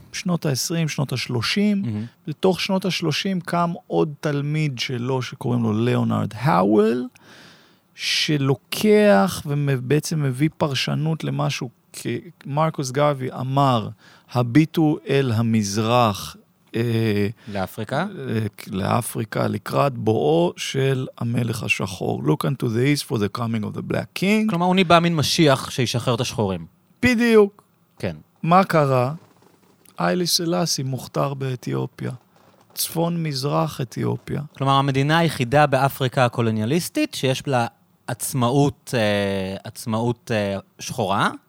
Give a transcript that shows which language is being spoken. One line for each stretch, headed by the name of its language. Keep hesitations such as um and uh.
Hebrew: שנות ה-20, שנות ה-30. Mm-hmm. בתוך שנות ה-30 קם עוד תלמיד שלו, שקוראים לו ליאונרד האוול, שלוקח ובעצם מביא פרשנות למשהו, כי מרקוס גרווי אמר, הביטו אל המזרח Uh, לאפריקה? Uh, לאפריקה, לקראת בואו של המלך השחור.
English: Look unto the east for the coming of the black king.
Hebrew: כלומר, הוא ניבא מן משיח שישחרר את השחורים. בדיוק. כן. מה קרה? איילי סלאסי מוכתר באתיופיה. צפון-מזרח אתיופיה. כלומר, המדינה היחידה באפריקה הקולוניאליסטית שיש לה עצמאות, עצמאות שחורה.